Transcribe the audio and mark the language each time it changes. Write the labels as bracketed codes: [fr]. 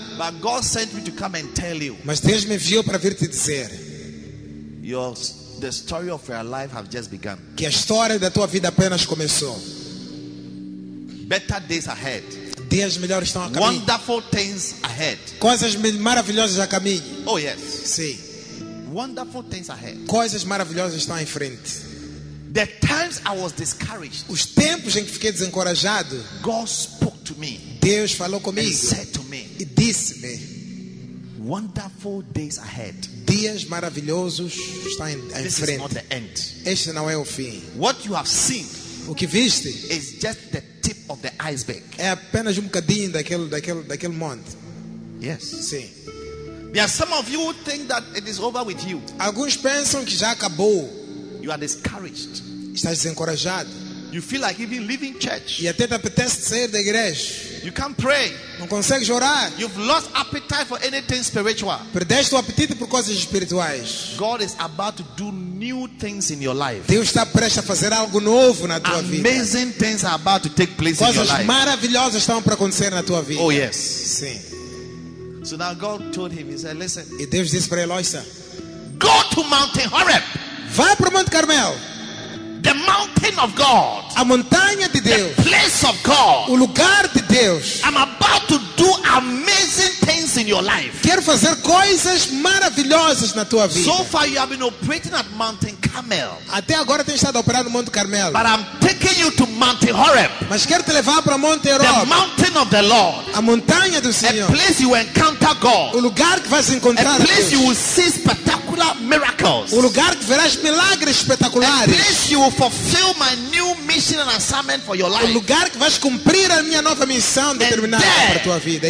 [en] But God sent me to come and tell you. [pt] Mas Deus me enviou para vir te dizer. [en] Your the story of your life have just begun. [pt] Que a história da tua vida apenas começou. [en] Better days ahead. [pt] Dias melhores estão a caminho. [en] Wonderful things ahead. [pt] Coisas maravilhosas a caminho. [en] Oh yes. [pt] Sim. [en] Wonderful things ahead. [pt] Coisas maravilhosas estão em frente. [en] The times I was discouraged. [pt] Os tempos em que fiquei desencorajado. [en] God spoke to me. [pt] Deus falou comigo. [en] And said to me. [pt] E disse-me. [en] Wonderful days ahead. [pt] Dias maravilhosos estão em [en] this This is not the end. [pt] Este não é o fim. [en] What you have seen. [pt] O que viste. [en] Is just the tip of the iceberg. [pt] É apenas bocadinho daquele monte. [en] Yes. [pt] Sim. [en] There are some of you who think that it is over with you. [pt] Alguns pensam que já acabou. [en] You are discouraged. [pt] Estás desencorajado. [en] You feel like even leaving church. [pt] E até te apetece sair da igreja. [en] You can't pray. [pt] Não consegues orar. [en] You've lost appetite for anything spiritual. [pt] Perdeste o apetite por coisas espirituais. [en] God is about to do new things in your life. [pt] Deus está prestes a fazer algo novo na tua vida. [en] Amazing things are about to take place [pt] coisas [en] in your life. [pt] Coisas maravilhosas estão para acontecer na tua vida. [en] Oh yes. [pt] Sim. [en] So now God told him, he said, listen. [pt] E Deus disse para ele, olha, [en] go to Mount Horeb. [pt] Vai para o Monte Carmel. [en] The mountain of God. [pt] A montanha de Deus. [en] The place of God. [pt] O lugar de Deus. [en] I'm about to do amazing things in your life. [pt] Quero fazer coisas maravilhosas na tua vida. [en] So far you have been operating at Mount Carmel. [pt] Até agora tens estado a operar no Monte Carmel. [en] But I'm taking you to Mount Horeb. [pt] Mas quero te levar para Monte Horeb. [en] The mountain of the Lord. [pt] A montanha do Senhor. [en] A place you will encounter God. [pt] O lugar que vais encontrar [en] a place You will see spectacular miracles. [pt] O lugar que verás milagres espetaculares. [en] A place you will fulfill my new mission and assignment for your life. [pt] O lugar que vais cumprir a minha nova missão determinada para a tua vida.